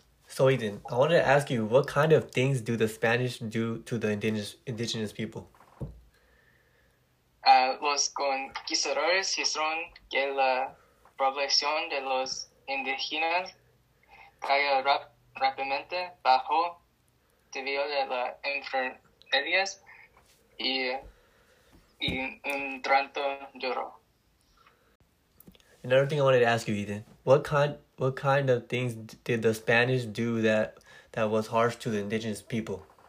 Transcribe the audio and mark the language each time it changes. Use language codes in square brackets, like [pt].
[en] So, Eden, I wanted to ask you, what kind of things do the Spanish do to the indigenous people? [es] Los conquistadores hicieron que la población de los indígenas caiga rápidamente bajo debido de las enfermedades y un trato duro. [en] Another thing I wanted to ask you, Ethan, what kind of things did the Spanish do that was harsh to the indigenous people?